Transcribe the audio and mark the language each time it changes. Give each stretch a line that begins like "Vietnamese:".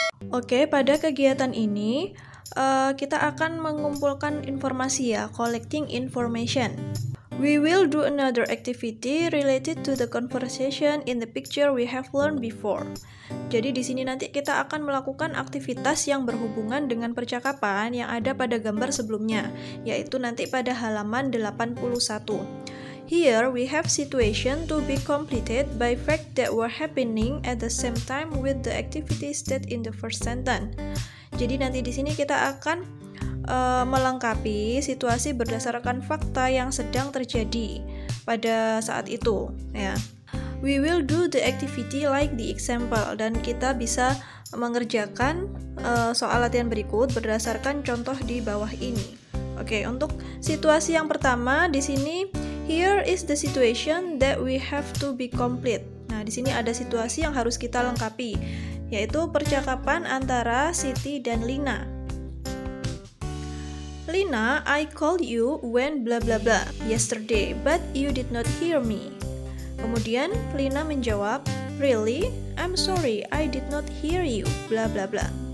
Indonesian: Oke, pada kegiatan ini kita akan mengumpulkan informasi ya,
English: collecting information. We will do another activity related to the conversation in the picture we have learned before.
Indonesian: Jadi di sini nanti kita akan melakukan aktivitas yang berhubungan dengan percakapan yang ada pada gambar sebelumnya, yaitu nanti pada halaman 81.
English: Here we have situation to be completed by fact that were happening at the same time with the activities that in the first sentence.
Indonesian: Jadi nanti di sini kita akan melengkapi situasi berdasarkan fakta yang sedang terjadi pada saat itu ya.
English: We will do the activity like the example,
Indonesian: dan kita bisa mengerjakan soal latihan berikut berdasarkan contoh di bawah ini. Oke, untuk situasi yang pertama di sini,
English: here is the situation that we have to be complete.
Indonesian: Nah, di sini ada situasi yang harus kita lengkapi, yaitu percakapan antara Siti dan Lina.
English: Lina, I called you when blah blah blah yesterday, but you did not hear me.
Indonesian: Kemudian Lina menjawab,
English: really? I'm sorry, I did not hear you, blah blah blah.